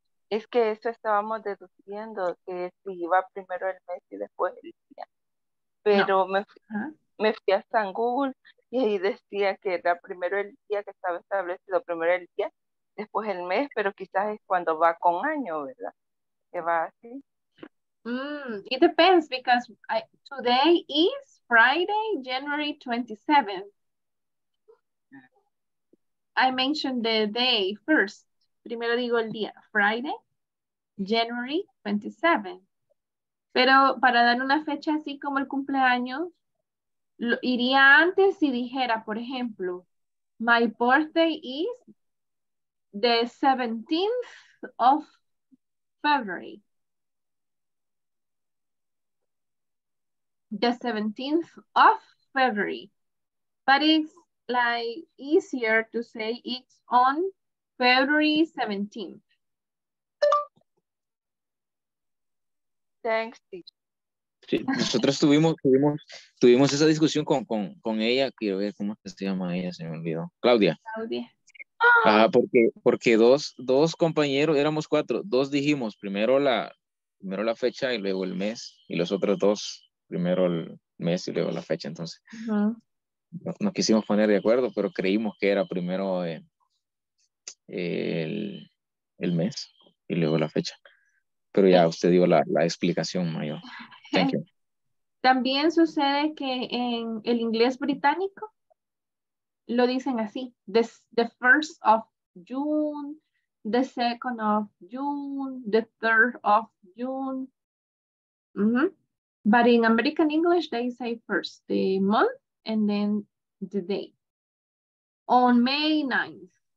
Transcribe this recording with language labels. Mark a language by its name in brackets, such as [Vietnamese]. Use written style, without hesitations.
[Spanish] Es que eso estábamos deduciendo que si iba primero el mes y después el día. Pero no. Me fui hasta en Google y ahí decía que era primero el día que estaba establecido, primero el día, después el mes, pero quizás es cuando va con año, ¿verdad? Que va así. [English] It depends because today is Friday, January 27th. I mentioned the day first. [Spanish] Primero digo el día, [English] Friday, January 27. [Spanish] Pero para dar una fecha así como el cumpleaños, lo, iría antes si dijera, por ejemplo, [English] my birthday is the 17th of February. The 17th of February. But it's like easier to say it's on February 17th. Thanks, teacher. [Spanish] Sí, nosotros tuvimos esa discusión con ella, quiero ver cómo se llama ella, se me olvidó. Claudia. Claudia. Ah, porque dos compañeros, éramos cuatro, dos dijimos primero la fecha y luego el mes, y los otros dos primero el mes y luego la fecha, entonces. Uh-huh. Nos quisimos poner de acuerdo, pero creímos que era primero el mes y luego la fecha. Pero ya usted dio la explicación mayor. [English] Thank you. [Spanish] También sucede que en el inglés británico lo dicen así. [English] The first of June, the second of June, the third of June. Mm-hmm. But in American English, they say first the month. And then the day on May 9th.